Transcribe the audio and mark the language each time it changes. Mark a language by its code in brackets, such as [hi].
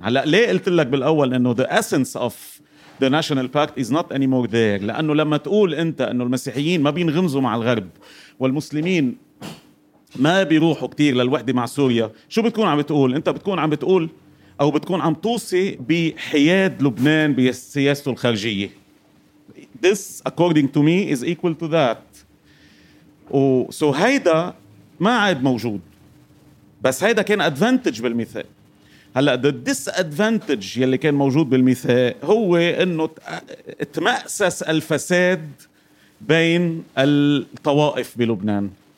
[ar] هلأ ليه قلت لك بالأول إنه [en] the essence of the national pact is not anymore there؟ [ar] لأنه لما تقول أنت أنه المسيحيين ما بينغمزوا مع الغرب والمسلمين ما بيروحوا كتير للوحدة مع سوريا، شو بتكون عم بتقول؟ أنت بتكون عم بتقول أو بتكون عم توصي بحياد لبنان بسياسته الخارجية. [en] This according to me is equal to that. [ar] So هيدا ما عاد موجود، بس هيدا كان advantage بالميثاق. هلأ the disadvantage يلي كان موجود بالميثاق هو أنه تمأسس الفساد بين الطوائف بلبنان.